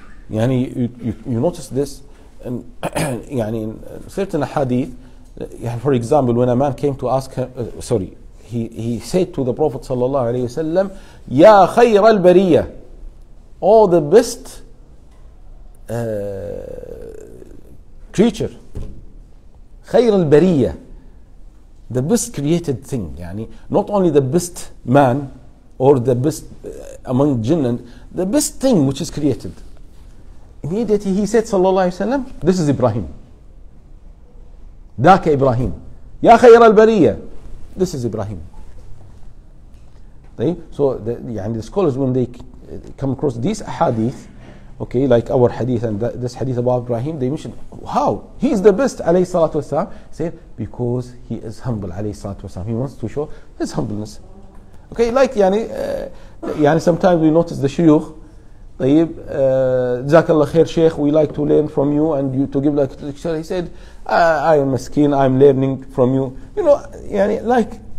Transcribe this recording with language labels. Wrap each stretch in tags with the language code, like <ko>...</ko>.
<en>يعني you notice this. And in certain hadith, for example, when a man came to ask him, he said to the Prophet sallallahu alayhi wa sallam, Ya khayr al-bariya, all the best creature, khayr al-bariya, the best created thing, يعني, not only the best man or the best among jinn, the best thing which is created. Immediately he said, صلى الله عليه وسلم, this is Ibrahim.</en> <ar>ذاك إبراهيم. يا خير البرية.</ar> <en>This is Ibrahim. طيب so the, يعني the scholars when they come across these ahadith okay like our hadith and that, this hadith about Ibrahim they mention how he is the best عليه الصلاة والسلام say because he is humble عليه الصلاة والسلام he wants to show his humbleness okay like يعني يعني sometimes we notice the shuyukh طيب</en> <ar>جزاك الله خير شيخ</ar> <en>we like to learn from you and you to give like lecture he said I am</en> <ar>مسكين</ar> <en>I'm learning from you you know يعني like</en>